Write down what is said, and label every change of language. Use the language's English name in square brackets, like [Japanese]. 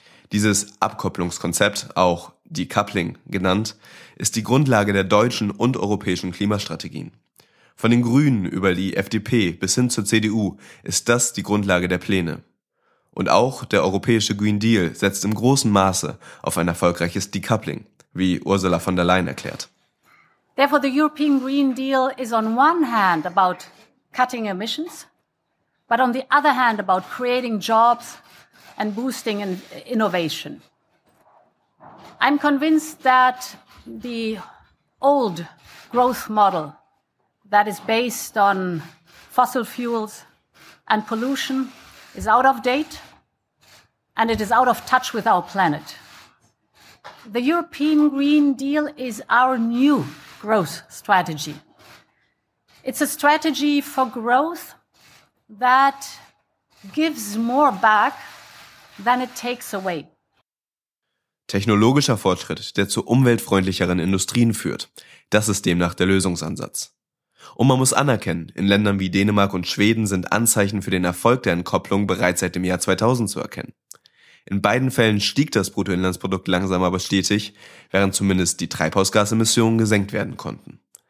[German] Dieses Abkopplungskonzept, auch Decoupling genannt, ist die Grundlage der deutschen und europäischen Klimastrategien. Von den Grünen über die FDP bis hin zur CDU ist das die Grundlage der Pläne. Und auch der europäische Green Deal setzt im großen Maße auf ein erfolgreiches Decoupling, wie Ursula von der Leyen erklärt. [English] Therefore, the European Green Deal is on one hand about cutting emissions, but on the other hand about creating jobs and boosting innovation. I'm convinced that the old growth model that is based on fossil fuels and pollution is out of date and it is out of touch with our planet. The European Green Deal is our new growth strategy. It's a strategy for growth that gives more back than it takes away. [German] Technologischer Fortschritt, der zu umweltfreundlicheren Industrien führt, das ist demnach der Lösungsansatz. Und man muss anerkennen, in Ländern wie Dänemark und Schweden sind Anzeichen für den Erfolg der Entkopplung bereits seit dem Jahr 2000 zu erkennen. In beiden Fällen stieg das Bruttoinlandsprodukt langsam aber stetig, während zumindest die Treibhausgasemissionen gesenkt werden konnten.